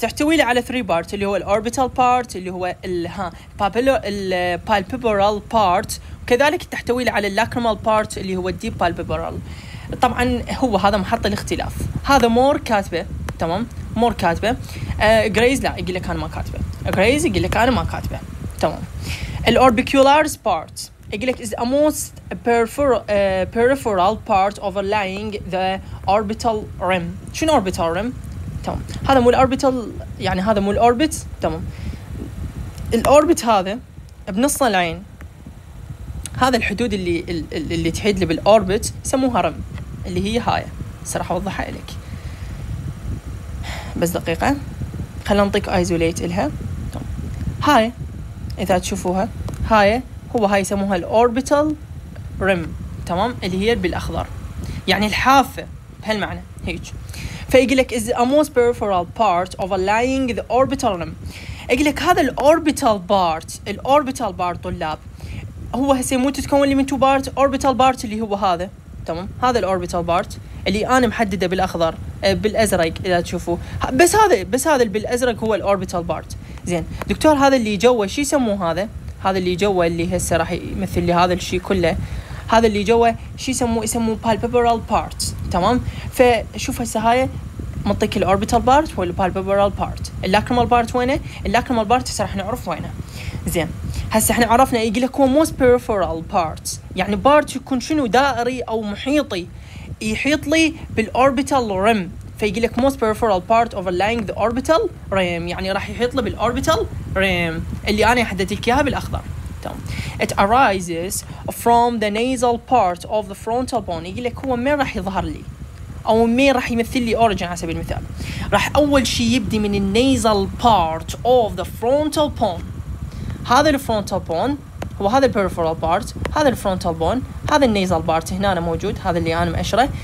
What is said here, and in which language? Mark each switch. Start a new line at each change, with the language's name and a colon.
Arabic: تحتوي على 3 بارت اللي هو الاوربيتال بارت اللي هو البالبيبرال بارت، وكذلك تحتوي على اللاكرمال بارت اللي هو الديب بالبيبرال. طبعا هو هذا محط الاختلاف، هذا مور كاتبه تمام، مور كاتبه. غريز لا يقول لك انا ما كاتبه، غريز يقول لك انا ما كاتبه تمام. الاوربيكولارز بارت يقول لك
English: is the most peripheral part overlying the orbital rim.
Arabic: شنو orbital rim؟ تمام. هذا مو الاوربيتال يعني هذا مو الاوربت تمام. الاوربت هذا بنص العين هذا الحدود اللي تحيد لي بالاوربت يسموها رم اللي هي هاي صراحة اوضحها لك بس دقيقة خلنا نعطيك ايزوليت لها. هاي اذا تشوفوها هاي هو هاي يسموها الاوربيتال ريم تمام اللي هي بالاخضر يعني الحافة بهالمعنى هيك. فيقول لك
English: is the most peripheral part of aligning the orbital rim.
Arabic: يقول لك هذا الاوربيتال بارت الاوربيتال بارت طلاب هو هسه مو تتكون لي من تو بارت اوربيتال بارت اللي هو هذا تمام هذا الاوربيتال بارت اللي انا محدده بالاخضر بالازرق اذا تشوفوا بس هذا بالازرق هو الاوربيتال بارت. زين دكتور هذا اللي جوا شو يسموه هذا هذا اللي جوا اللي هسه راح يمثل لي هذا الشيء كله هذا اللي جوا شو يسموه بالبيبرال بارت تمام. فشوف هسه هاي منطقة الاوربيتال بارت والبالبيبرال بارت اللاكرمال بارت وينه اللاكرمال بارت هسه راح نعرف وينه. زين هسه احنا عرفنا يقول لك هو موست بيريفيرال بارت يعني بارت يكون شنو دائري او محيطي يحيط لي بالاوربيتال ريم. فيقول لك موست بيريفيرال بارت اوفر لاينج ذا اوربيتال ريم يعني راح يحيط لي بالاوربيتال ريم اللي انا حددت لك اياها بالاخضر.
English: It arises from the nasal part of the frontal bone.
Arabic: يقول لك هو مين راح يظهر لي او مين راح يمثل لي origin على سبيل المثال راح اول شيء يبدي من
English: the nasal part of the frontal bone.
Arabic: هذا الفرونتال بون هو هذا البيريفيرال بارت هذا الفرونتال بون هذا النيزال بارت هنا أنا موجود هذا اللي انا مأشره.